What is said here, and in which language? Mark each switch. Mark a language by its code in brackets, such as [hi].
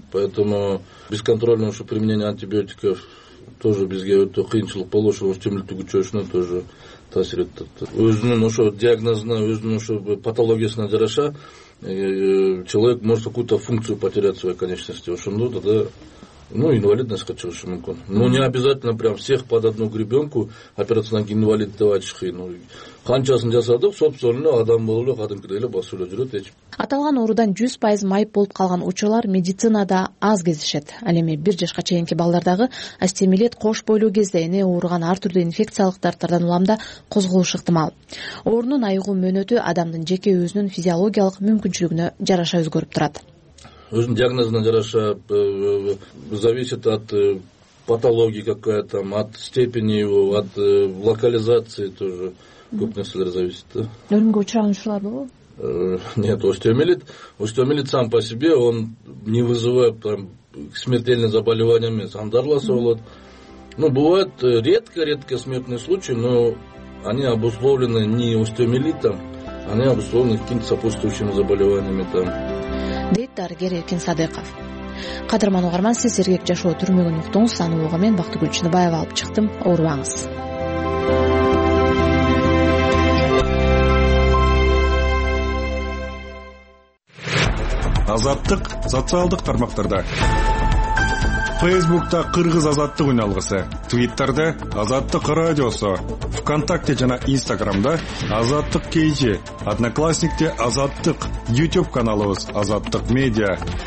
[ky] Поэтому [ru] бесконтрольно [ky] ушу [ru] применение антибиотиков тоже [ky] бизге өтө кыйынчылык болду, ошо остеомиелитти күчөшүнө тоже таасир этет. Өзүнүн ошо диагнозуна, өзүнүн ошо патологиясына жараша [ru] человек может какую-то функцию потерять своей конечности. [ky] Ошондо да. Ну, инвалидность чыгышы мүмкүн. [ru] Ну, не обязательно прям всех под одну гребенку [ky] операциядан кийин инвалид деп айтыш кыйын. Канчасын жасадык, собственно, адам болуп эле кадимкидей эле басып эле жүрөт эч. Аталган оорудан 100% майып болуп калган учурлар медицинада аз кездешет. Ал эми 1 жашка чейинки балдардагы остеомиелит кош бойлуу кезде эне ооруган ар түрдүү инфекциялык дарттардан уламда козголушу ыктымал. Оорунун айыгуу мөөнөтү адамдын жеке өзүнүн физиологиялык мүмкүнчүлүгүнө жараша өзгөрүп турат. Өзүнүн диагнозуна жараша [ru] зависит от патологии какая там, от степени его, от локализации тоже [ky] көп нерселер [ru] зависит да. [ky] Өлүмгө учураган учурлар болобу? [ru] Нет, остеомиелит. Остеомиелит сам по себе, он не вызывает там смертельные заболевания, [ky] сандарласа болот. [ru] Ну, бывают редко-редко смертные случаи, но они обусловлены не остеомиелитом, они обусловлены какими-то сопутствующими заболеваниями там. [ky] Дейт дарыгер Эркин Садыков. Кадырман угарман, сиз сергек жашоо түрмөгүн уктуңуз. Аны ого мен Бактыгүл Чыныбаева алып чыктым. Оорубаңыз. Азаттык социалдык тармактарда. Фейсбукта Кыргыз Азаттык үн алгысы, Твиттерде Азаттык радиосу, ВКонтакте жана Инстаграмда Азаттык кейжи, Одноклассникте Азаттык, Ютуб каналыбыз Азаттык медиа.